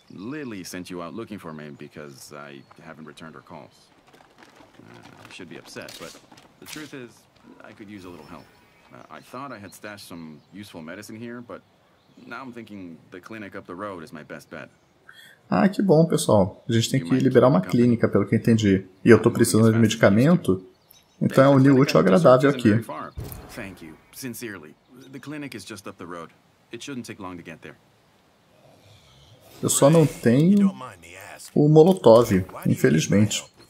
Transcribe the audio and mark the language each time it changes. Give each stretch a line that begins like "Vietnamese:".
English: Lily sent you out looking for me because I haven't returned her calls. Should be upset, but the truth is, I could use a little help. I thought I had stashed some useful medicine here, but now I'm thinking the clinic up the road is my best bet.
Portuguese: Ah, que bom, pessoal. A gente tem que liberar uma clínica, pelo que entendi. E eu tô precisando de medicamento. Então é unir o útil ao agradável aqui.
English: Thank you. Sincerely. The clinic is just up the road. It shouldn't take long to get there.
Portuguese: Eu só não tenho o Molotov, infelizmente.